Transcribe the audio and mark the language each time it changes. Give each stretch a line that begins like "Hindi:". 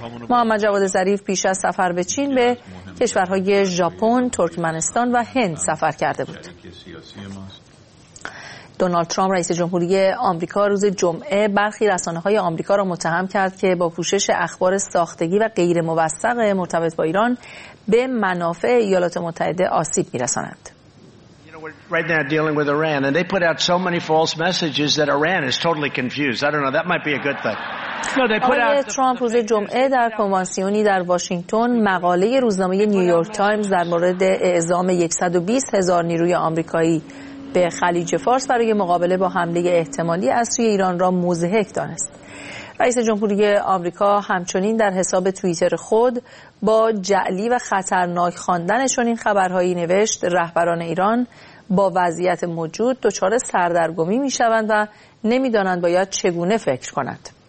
Persian: محمد جواد ظریف پیش از سفر به چین به کشورهای ژاپن، ترکمنستان و هند سفر کرده بود. دونالد ترامپ رئیس جمهوری آمریکا روز جمعه برخی رسانه‌های آمریکا را متهم کرد که با پوشش اخبار ساختگی و غیر موثق مرتبط با ایران به منافع ایالات متحده آسیب می‌رسانند.
English: Right now dealing with Iran and they put out so many false messages that Iran is totally confused. I don't know, that might be a good thing.
Persian: آقای ترامپ روز جمعه در کنوانسیونی در واشنگتن مقاله روزنامه نیویورک تایمز در مورد اعزام 120 هزار نیروی آمریکایی به خلیج فارس برای مقابله با حمله احتمالی از سوی ایران را مضحک دانست. رئیس جمهوری آمریکا همچنین در حساب توییتر خود با جعلی و خطرناک خواندن چنین خبرهایی نوشت رهبران ایران با وضعیت موجود دچار سردرگمی می‌شوند و نمی‌دانند باید چگونه فکر کنند.